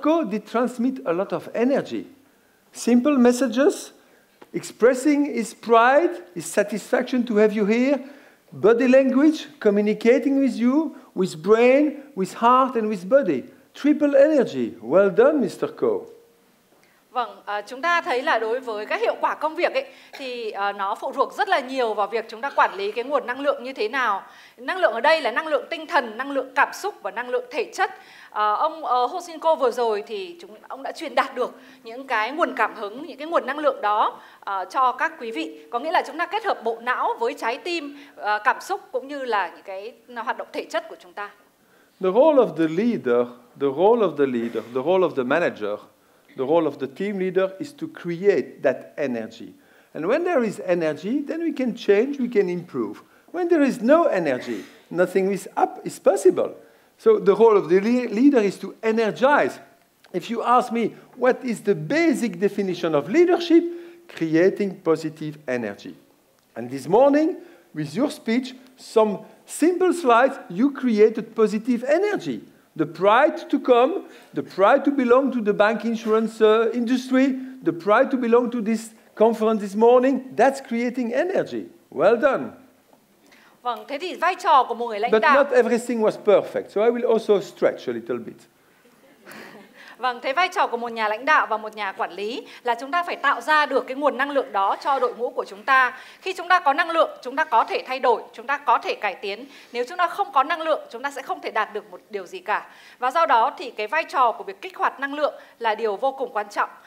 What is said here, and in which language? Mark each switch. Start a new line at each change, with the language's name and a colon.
English: Ko did transmit a lot of energy. Simple messages, expressing his pride, his satisfaction to have you here, body language, communicating with you, with brain, with heart, and with body. Triple energy. Well done, Mr. Ko.
Vietnamese: Vâng, chúng ta thấy là đối với các hiệu quả công việc ấy, thì nó phụ thuộc rất là nhiều vào việc chúng ta quản lý cái nguồn năng lượng như thế nào. Năng lượng ở đây là năng lượng tinh thần, năng lượng cảm xúc và năng lượng thể chất. Ông Hosinko vừa rồi thì ông đã truyền đạt được những cái nguồn cảm hứng, những cái nguồn năng lượng đó cho các quý vị. Có nghĩa là chúng ta kết hợp bộ não với trái tim, cảm xúc cũng như là những cái hoạt động thể chất của chúng ta.
English: The role of the leader, the role of the leader, the role of the manager, the role of the team leader is to create that energy. And when there is energy, then we can change, we can improve. When there is no energy, nothing is up is possible. So the role of the leader is to energize. If you ask me, what is the basic definition of leadership? Creating positive energy. And this morning, with your speech, some simple slides, you created positive energy. The pride to come, the pride to belong to the bank insurance industry, the pride to belong to this conference this morning, that's creating energy. Well done.
Vietnamese: Vâng, thế thì vai trò của một người lãnh
English: but
Vietnamese: đạo...
English: But not everything was perfect, so I will also stretch a little bit.
Vietnamese: Vâng, thế vai trò của một nhà lãnh đạo và một nhà quản lý là chúng ta phải tạo ra được cái nguồn năng lượng đó cho đội ngũ của chúng ta. Khi chúng ta có năng lượng, chúng ta có thể thay đổi, chúng ta có thể cải tiến. Nếu chúng ta không có năng lượng, chúng ta sẽ không thể đạt được một điều gì cả. Và do đó thì cái vai trò của việc kích hoạt năng lượng là điều vô cùng quan trọng.